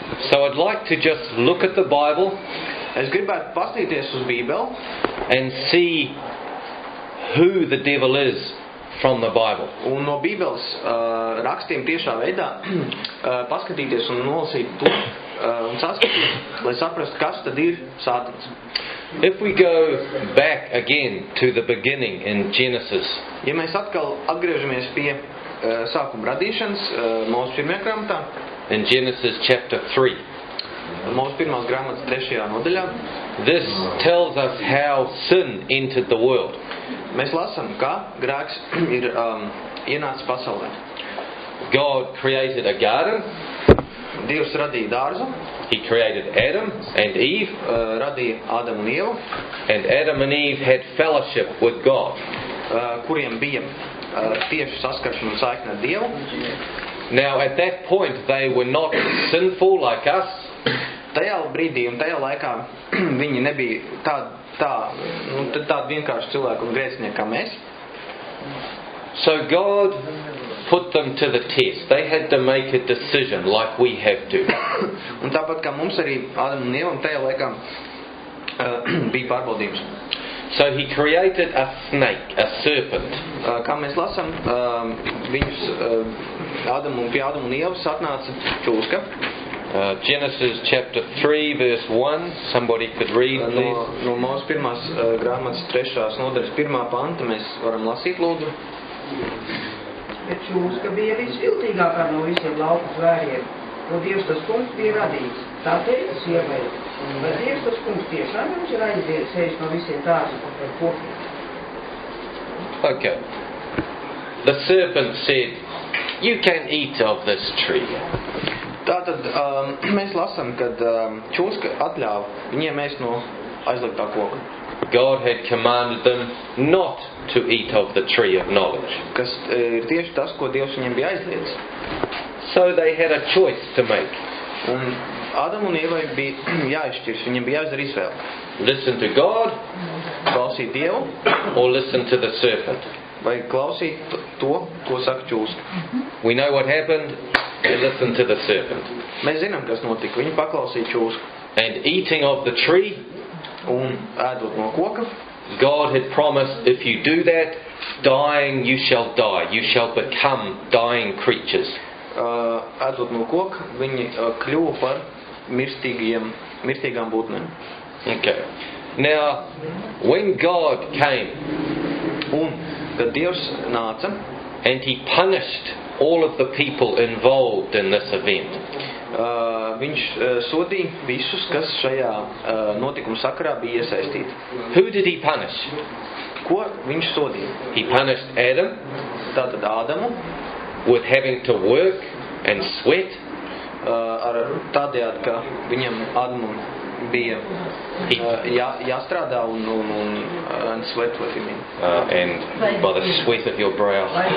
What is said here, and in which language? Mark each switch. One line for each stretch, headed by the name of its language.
English: So I'd like to just look at the Bible.
Latvian: Es gribētu paskatīties uz Bībeli
English: and see who the devil is from the Bible.
Latvian: Un no Bībeles rakstiem tiešā veidā paskatīties un nolasīt to un saskatīt, lai saprastu, kas tad ir Sātans.
English: If we go back again to the beginning in Genesis.
Latvian: Ja mēs atkal atgriežamies pie sākuma radīšanas, mūsu pirmajā grāmatā.
English: In Genesis chapter 3.
Latvian: Mūsu pirmās grāmatas trešajā nodaļā.
English: This tells us how sin entered the world.
Latvian: Mēs lasam, kā grēks ir ienācis pasaulē.
English: God created a garden.
Latvian: Dievs radīja dārzu.
English: He created Adam and Eve.
Latvian: Radīja Ādamu un Ievu.
English: And Adam and Eve had fellowship with God.
Latvian: Kuriem bija tieši saskaršana un saikne ar Dievu.
English: Now at that point they were not sinful like us.
Latvian: Tajā brīdī un tajā laikā viņi nebija tādi vienkārši cilvēki un grēcinieki kā mēs.
English: So God put them to the test. They had to make a decision like we have to.
Latvian: Un tāpat kā mums arī Ādam un Ievam tajā laikā bija pārbaudījums.
English: So he created a snake, a serpent.
Latvian: Kā mēs lasam, viņus Ādam un pie Ādam un Ievas atnāca čūska.
English: Genesis chapter 3 verse 1, somebody could read please.
Latvian: No mūsu pirmās grāmatas trešās nodaļas pirmā panta mēs varam lasīt lūdzu. Bet čūska bija visviltīgākā no visiem lauku zvēriem, no Dievs tas kungs bija radīts, tā teica sievai, vai Dievs tas kungs tiešām viņš ir aizsējis no visiem tāzi, ko par kopiem.
English: Okay. The serpent said, you can eat of this tree.
Latvian: Tātad mēs lasam, kad čūska atļāva viņiem ēst no aizliktā koka.
English: God had commanded them not to eat of the tree of knowledge.
Latvian: Kas ir tieši tas, ko Dievs viņiem bija aizliedzis.
English: So they had a choice to make.
Latvian: Un Ādam un Ēvai bija jāizšķirs, viņiem bija jāizdara izvēle.
English: Listen to God.
Latvian: Klausīt Dievu.
English: Or listen to the serpent.
Latvian: Vai klausīt to, ko saka čūska.
English: We know what happened. They listened to the serpent.
Latvian: Mēs zinām, kas notika. Viņi paklausīja čūsku.
English: And eating of the tree.
Latvian: Un ēdot no koka.
English: God had promised, if you do that, dying you shall die. You shall become dying creatures.
Latvian: Ēdot no koka, viņi kļuva par mirstīgām būtnēm.
English: Okay. Now, when God came.
Latvian: Un, kad Dievs nāca.
English: And he punished all of the people involved in this event.
Latvian: Viņš sodīja visus, kas šajā notikuma sakarā bija iesaistīti.
English: Who did he punish?
Latvian: Ko viņš sodīja?
English: He punished Adam.
Latvian: Tātad Ādamu.
English: With having to work and sweat.
Latvian: Ar tādējādi, ka viņam Ādamam bija jāstrādā un
English: sweat with him. And by the sweat of your brow.